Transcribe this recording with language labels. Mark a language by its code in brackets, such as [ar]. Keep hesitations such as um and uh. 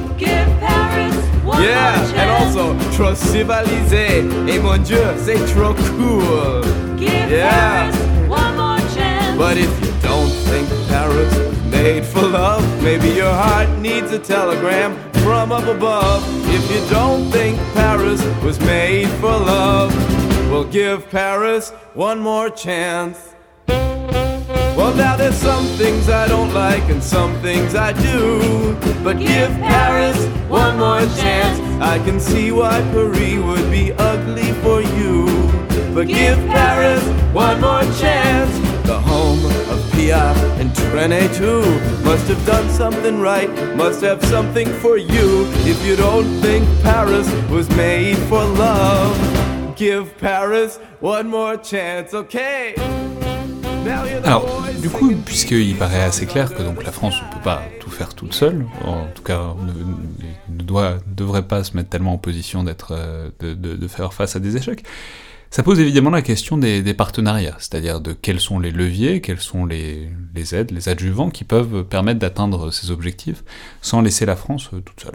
[en] Give Paris one yeah, more chance. and also [fr] trop civilisé. Et mon Dieu, c'est trop cool. [en] Give yeah. Paris one more chance. But if you don't think Paris made for love. Maybe your heart needs a telegram from up above. If you don't think Paris was made for love, we'll give Paris one more chance. Well, now there's some things I don't like and some things I do. But give, give Paris one more chance. I can see why Paris would be ugly for you. But give, give Paris one more chance. The home of Piaf and Trenet too must have done something right, must have something for you. If you don't think Paris was made for love, give Paris one more chance, okay? [fr] Alors, du coup, puisqu'il paraît assez clair que donc la France ne peut pas tout faire toute seule, en tout cas ne, ne doit, devrait pas se mettre tellement en position d'être, de, de, de, faire face à des échecs, Ça pose évidemment la question des, des partenariats, c'est-à-dire de quels sont les leviers, quels sont les, les aides, les adjuvants qui peuvent permettre d'atteindre ces objectifs sans laisser la France toute seule.